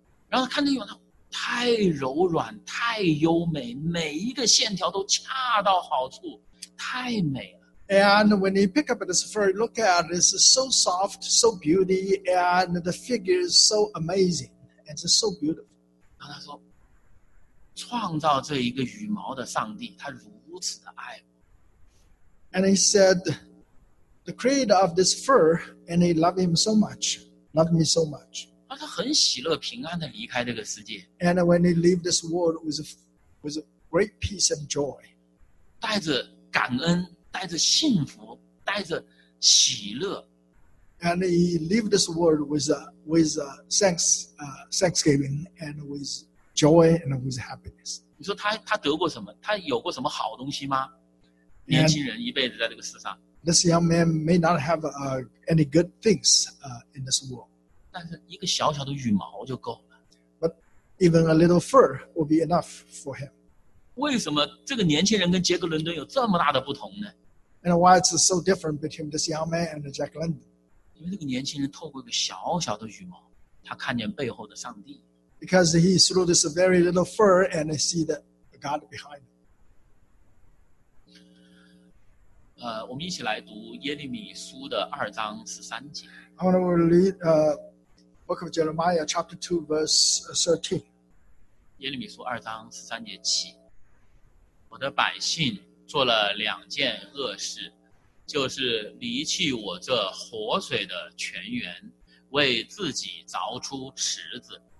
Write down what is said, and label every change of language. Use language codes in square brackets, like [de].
[zh] 然后看那羽毛。太柔软，太优美，每一个线条都恰到好处，太美了。 [en] And when he picked up this fur, look at it, it's so soft, so beauty, and the figure is so amazing, and it's so beautiful. [zh] 然后他说，创造这一个羽毛的上帝，他如此的爱我。 [en] And he said, the creator of this fur, and he loved him so much, loved me so much. [zh] 而他很喜乐平安地离开这个世界。 [en] And when he leave this world with great peace and joy. [zh] 带着感恩，带着幸福，带着喜乐， [en] And he lived this world with thanksgiving and with joy and with happiness. [zh] 你说他得过什么？他有过什么好东西吗？年轻人一辈子在这个世上。 [en] And、this young man may not have any good things in this world. [zh] 但是一个小小的羽毛就够了。 [en] But even a little fur will be enough for him. [zh] 为什么这个年轻人跟杰克伦敦有这么大的不同呢？ [en] And why it's so different between this young man and Jack London? [zh] 因为这个年轻人透过一个小小的羽毛，他看见背后的上帝。 [en] Because he threw this very little fur and see the God behind him. [zh] 我们一起来读耶利米书的二章十三节。 [en] I want to read Book of Jeremiah chapter 2 verse 13. [zh] 耶利米书二章十三节起，我的百姓做了两件恶事，就是离弃我这活水的泉源，为自己凿出池子。